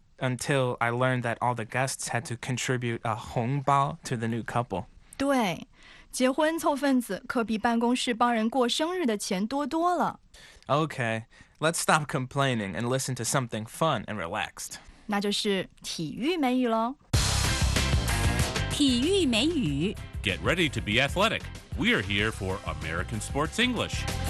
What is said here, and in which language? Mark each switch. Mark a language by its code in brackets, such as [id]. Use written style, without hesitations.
[en] Until I learned that all the guests had to contribute a 红包 to the new couple. [zh] 对，结婚凑份子可比办公室帮人过生日的钱多多了。 [en] Okay, let's stop complaining and listen to something fun and relaxed. [zh] 那就是体育美语咯。体育美语。 [en] Get ready to be athletic. We are here for American Sports English.